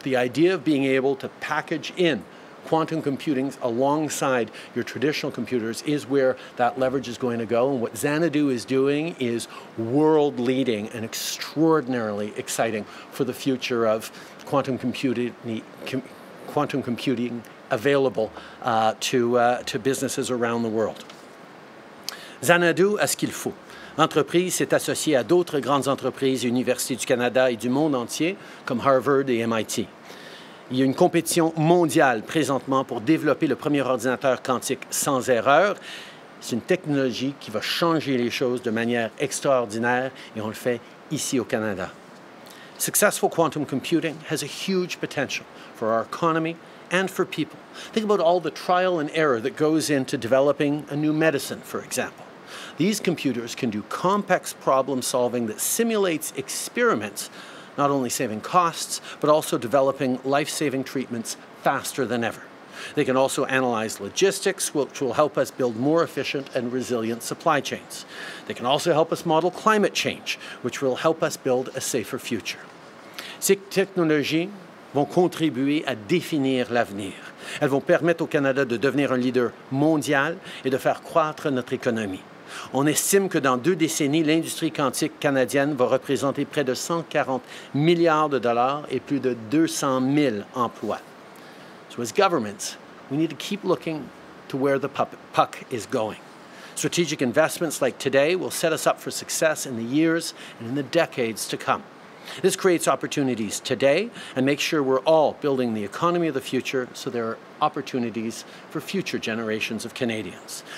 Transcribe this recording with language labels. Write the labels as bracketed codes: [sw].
[en] The idea of being able to package in quantum computing alongside your traditional computers is where that leverage is going to go. And what Xanadu is doing is world leading and extraordinarily exciting for the future of quantum computing available to businesses around the world. [fr] Xanadu a ce qu'il faut. L'entreprise s'est associée à d'autres grandes entreprises, universités du Canada et du monde entier, comme Harvard et MIT. Il y a une compétition mondiale présentement pour développer le premier ordinateur quantique sans erreur. C'est une technologie qui va changer les choses de manière extraordinaire, et on le fait ici au Canada. [en] Successful quantum computing has a huge potential for our economy and for people. Think about all the trial and error that goes into developing a new medicine, for example. These computers can do complex problem solving that simulates experiments, not only saving costs, but also developing life-saving treatments faster than ever. They can also analyze logistics, which will help us build more efficient and resilient supply chains. They can also help us model climate change, which will help us build a safer future. [fr] Ces technologies vont contribuer à définir l'avenir. Elles vont permettre au Canada de devenir un leader mondial et de faire croître notre économie. On estime que dans deux décennies, l'industrie quantique canadienne va représenter près de 140 milliards de dollars et plus de 200 000 emplois. [en] So as governments, we need to keep looking to where the puck is going. Strategic investments like today will set us up for success in the years and in the decades to come. This creates opportunities today and makes sure we're all building the economy of the future so there are opportunities for future generations of Canadians.